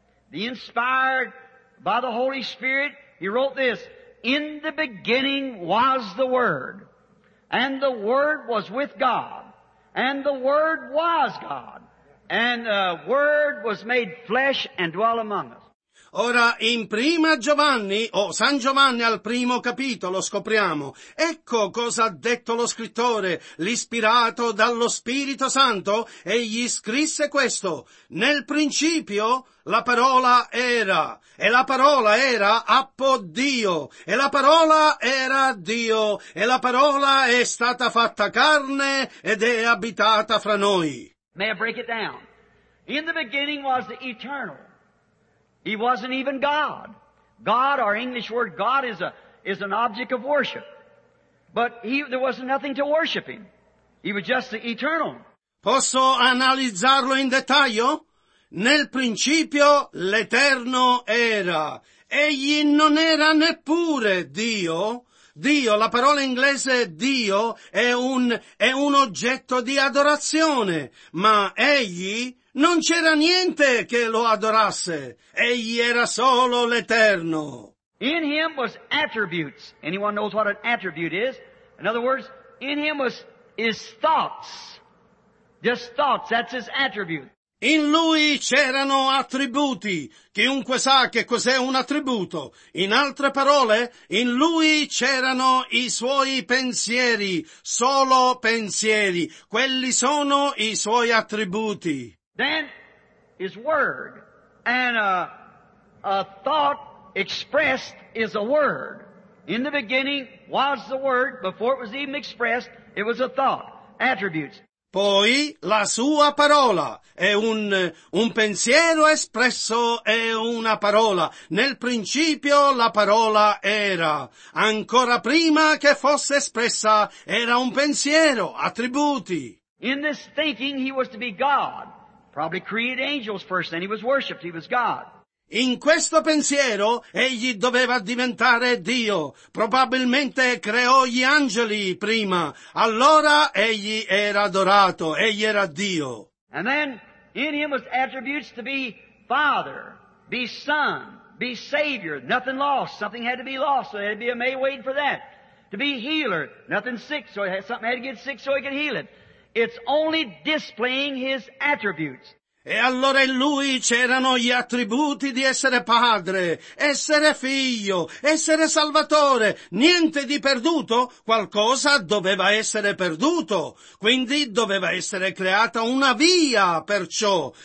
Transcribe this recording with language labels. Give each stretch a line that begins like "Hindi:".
English: The inspired by the Holy Spirit, he wrote this, in the beginning was the Word, and the Word was with God, and the Word was God, and the Word was made flesh and dwelt among us.
Italian: Ora, in prima Giovanni, o San Giovanni al primo capitolo, scopriamo, ecco cosa ha detto lo scrittore, l'ispirato dallo Spirito Santo, egli scrisse questo, nel principio la parola era, e la parola era appo Dio, e la parola era Dio, e la parola è stata fatta carne ed è abitata fra noi.
English: May I break it down? In the beginning was the eternal. He wasn't even God. God, our English word God, is an object of worship. But there was nothing to worship him. He was just the eternal.
Italian: Posso analizzarlo in dettaglio? Nel principio l'Eterno era. Egli non era neppure Dio. Dio, la parola inglese Dio, è un oggetto di adorazione. Ma egli... non c'era niente che lo adorasse. Egli era solo l'Eterno.
English: In him was attributes. Anyone knows what an attribute is? In other words, in him was his thoughts. Just thoughts, that's his attribute.
Italian: In lui c'erano attributi. Chiunque sa che cos'è un attributo. In altre parole, in lui c'erano i suoi pensieri. Solo pensieri. Quelli sono i suoi attributi.
English: Then is word, and a thought expressed is a word. In the beginning was the word, before it was even expressed, it was a thought. Attributes.
Italian: Poi la sua parola è un pensiero espresso è una parola. Nel principio la parola era. Ancora prima che fosse espressa era un pensiero. Attributi.
English: In this thinking he was to be God. Probably created angels first, then he was worshipped, he was God.
Italian: In questo pensiero, egli doveva diventare Dio. Probabilmente creò gli angeli prima. Allora egli era adorato, egli era Dio.
English: And then, in him was attributes to be Father, be Son, be Savior, nothing lost, something had to be lost, so there had to be a May waiting for that. To be Healer, nothing sick, so something had to get sick so he could heal it. It's only displaying his attributes.
Italian: E allora in lui c'erano gli attributi di essere padre, essere figlio, essere salvatore. Niente di perduto, qualcosa doveva essere perduto. Quindi doveva essere creata una via per ciò.